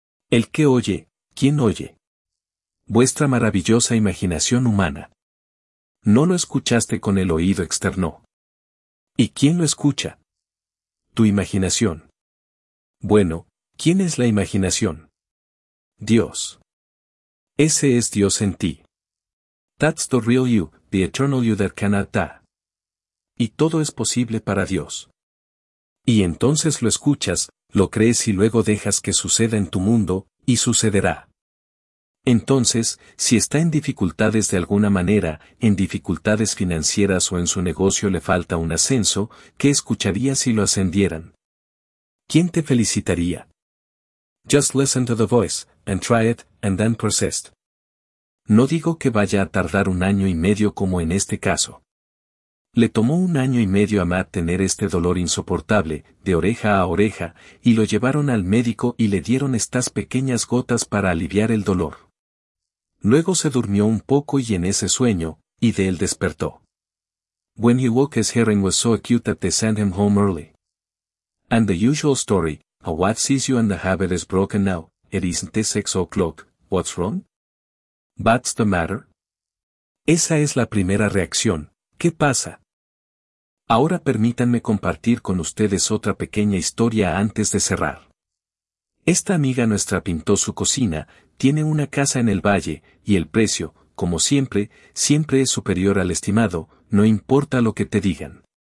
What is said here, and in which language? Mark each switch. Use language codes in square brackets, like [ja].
[es] El que oye, ¿quién oye? Vuestra maravillosa imaginación humana. No lo escuchaste con el oído externo. ¿Y quién lo escucha? Tu imaginación. Bueno, ¿quién es la imaginación? Dios. Ese es Dios en ti. [en] That's the real you, the eternal you that cannot die. [es] Y todo es posible para Dios. Y entonces lo escuchas, lo crees y luego dejas que suceda en tu mundo, y sucederá. Entonces, si está en dificultades de alguna manera, en dificultades financieras o en su negocio le falta un ascenso, ¿qué escucharía si lo ascendieran? ¿Quién te felicitaría? [en] Just listen to the voice, and try it, and then persist. [es] No digo que vaya a tardar un año y medio como en este caso. Le tomó un año y medio a Matt tener este dolor insoportable, de oreja a oreja, y lo llevaron al médico y le dieron estas pequeñas gotas para aliviar el dolor. Luego se durmió un poco y en ese sueño, y de él despertó. [en] When he woke his hearing was so acute that they sent him home early. And the usual story, a wife sees you and the habit is broken now, it isn't 6 o'clock, what's wrong? What's the matter? [es] Esa es la primera reacción. ¿Qué pasa? Ahora permítanme compartir con ustedes otra pequeña historia antes de cerrar. Esta amiga nuestra pintó su cocina, tiene una casa en el valle, y el precio, como siempre, siempre es superior al estimado, no importa lo que te digan.